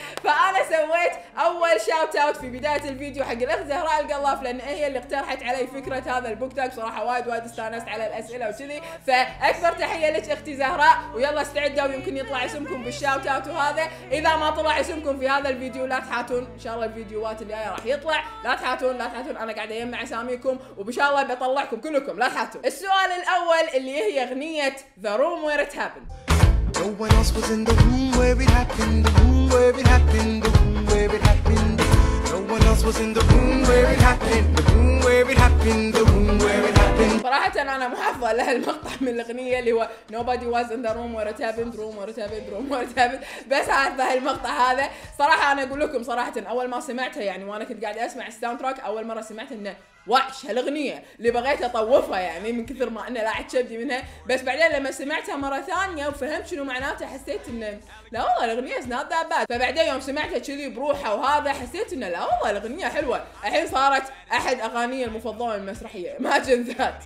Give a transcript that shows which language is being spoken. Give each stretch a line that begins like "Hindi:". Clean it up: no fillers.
Arabic: فانا سويت اول شاوت اوت في بدايه الفيديو حق الاخت زهراء القلاف، لان هي اللي اقترحت علي فكره هذا البوك تاج، صراحه وايد وايد استانست على الاسئله وكذي، فاكبر تحيه لك اختي زهراء، ويلا استعدوا يمكن يطلع اسمكم بالشاوت اوت. وهذا اذا ما طلع اسمكم في هذا الفيديو لا تحاتون، ان شاء الله الفيديوهات اللي راح يطلع لا تحاتون لا تحاتون، انا قاعده اجمع اساميكم وان شاء الله بطلعكم كلكم لا تحاتون. السؤال الاول اللي هي اغنيه The Room Where It Happened.
English: No one else was in the room where it happened, the room where it happened, the room where it happened. No one else was in the room where it happened, the room where it happened, the room where it happened.
Arabic: صراحة أنا محافظة لها المقطع من الأغنية اللي هو
English: Nobody was in the room where it happened,
Arabic: room where it happened, room where it happened. بس عارفة هالمقطع هذا، صراحة أنا أقول لكم صراحة أول ما سمعتها يعني وأنا كنت قاعد أسمع الساوند تراك أول مرة سمعت إنه وحش هالاغنيه اللي بغيت اطوفها يعني من كثر ما انا لاعت شبدي منها، بس بعدين لما سمعتها مره ثانيه وفهمت شنو معناتها حسيت انه لا والله الاغنيه سناب ذا باد، فبعدين يوم سمعتها كذي بروحها وهذا حسيت انه لا والله الاغنيه حلوه، الحين صارت احد اغانيي المفضله من المسرحيه ما جنزات.